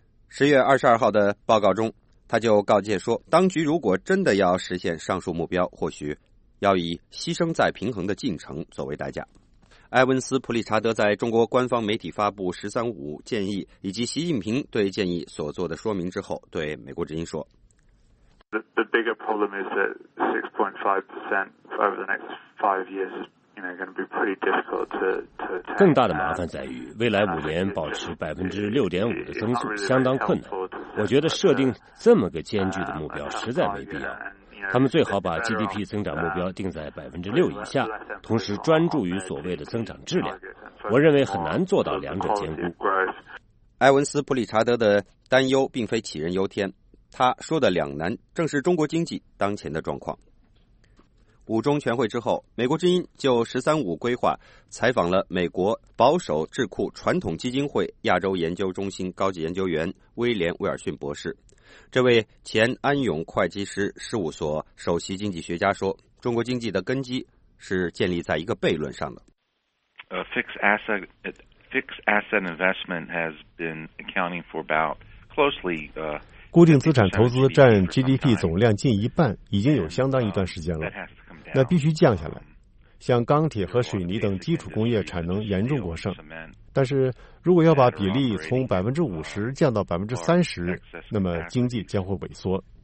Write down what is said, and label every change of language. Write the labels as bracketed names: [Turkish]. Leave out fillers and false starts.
[Chinese] 10月22号的报告中，他就告诫说，当局如果真的要实现上述目标，或许要以牺牲再平衡的进程作为代价。埃文斯·普里查德在中国官方媒体发布“十三五”建议以及习近平对建议所做的说明之后，对《美国之音》说 [English] ：“The bigger problem is that 6.5% over the next 5 years is, you know, going to be pretty difficult to attain. [Chinese] 更大的麻烦在于，未来五年保持6.5%的增速相当困难。我觉得设定这么个艰巨的目标实在没必要。” 他们最好把 GDP 增长目标定在6%以下，同时专注于所谓的增长质量。我认为很难做到两者兼顾。埃文斯·普里查德的担忧并非杞人忧天，他说的两难正是中国经济当前的状况。五中全会之后，美国之音就“十三五”规划采访了美国保守智库传统基金会亚洲研究中心高级研究员威廉·威尔逊博士。这位前安永会计师事务所首席经济学家说，中国经济的根基是建立在一个悖论上的。 [English] Fixed asset investment has been accounting for about closely, [Chinese] 固定资产投资占 GDP 总量近一半，已经有相当一段时间了。那必须降下来。像钢铁和水泥等基础工业产能严重过剩，但是如果要把比例从50%降到30%，那么经济将会萎缩。